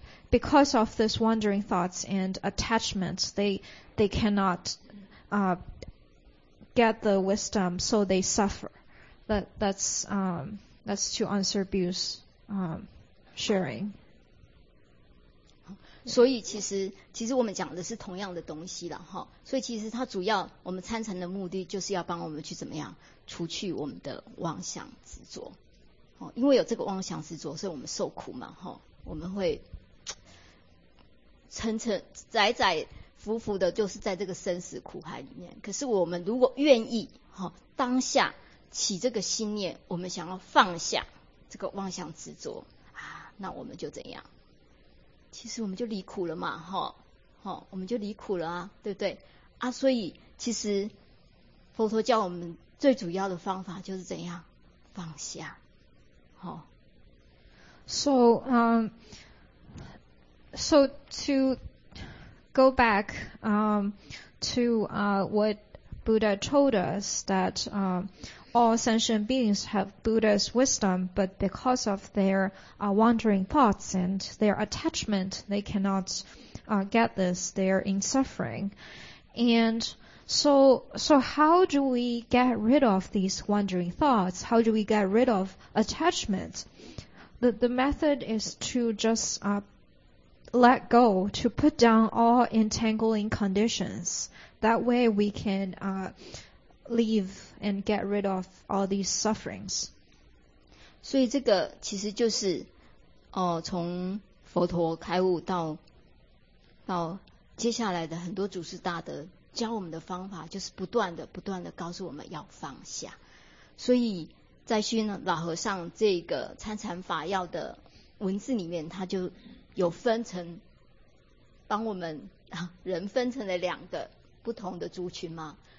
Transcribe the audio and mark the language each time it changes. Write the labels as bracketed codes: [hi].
[en] Because of this wandering thoughts and attachments, they cannot get the wisdom, so they suffer. That's to answer Bill's sharing. [zh] 所以其实我们讲的是同样的东西了哈。所以其实它主要我们参禅的目的就是要帮我们去怎么样除去我们的妄想执着。因为有这个妄想执着，所以我们受苦嘛，哈，我们会沉沉载载浮浮的，就是在这个生死苦海里面。可是我们如果愿意，哈，当下起这个心念，我们想要放下这个妄想执着啊，那我们就怎样？其实我们就离苦了嘛，哈，哈，我们就离苦了啊，对不对？啊，所以其实佛陀教我们最主要的方法就是怎样放下。 [en] So, so to go back to what Buddha told us, that all sentient beings have Buddha's wisdom, but because of their wandering thoughts and their attachment, they cannot get this. They're in suffering. And So how do we get rid of these wandering thoughts? How do we get rid of attachment? The method is to just let go, to put down all entangling conditions. That way we can leave and get rid of all these sufferings. [zh] 所以这个其实就是从佛陀开悟到接下来的很多祖师大德教我们的方法，就是不断的、不断的告诉我们要放下。所以在虚呢老和尚这个参禅法要的文字里面，他就有分成，帮我们人分成了两个不同的族群嘛。